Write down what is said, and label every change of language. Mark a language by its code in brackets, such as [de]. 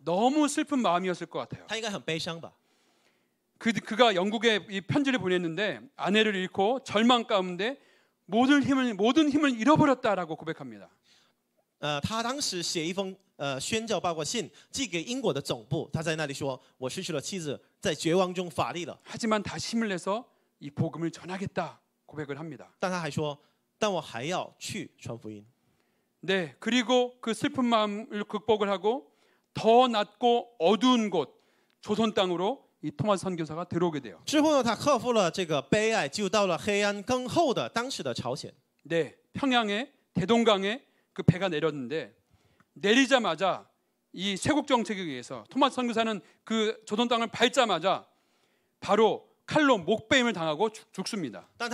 [ko] 너무 슬픈 마음이었을 것 같아요. [zh] 他应该很悲伤吧。 [ko] 그가 영국에 이 편지를 보냈는데 아내를 잃고 절망 가운데 모든 힘을 잃어버렸다라고 고백합니다. [zh] 他当时写一封宣教报告信寄给英国的总部，他在那里说，我失去了妻子，在绝望中乏力了。 [ko] 하지만 다시 힘을 내서 이 복음을 전하겠다 고백을 합니다. [zh] 但我还要去传福音. [ko] 네, 그리고 그 슬픈 마음을 극복을 하고 더 낮고 어두운 곳 조선 땅으로 이 토마스 선교사가 들어오게 돼요. [zh] 之后呢，他克服了这个悲哀，就到了黑暗更厚的当时的朝鲜. [ko] 네, 평양에 대동강에 그 배가 내렸는데 내리자마자 이 쇄국 정책에 의해서 토마스 선교사는 그 조선 땅을 밟자마자 바로 칼로 목베임을 당하고 죽습니다.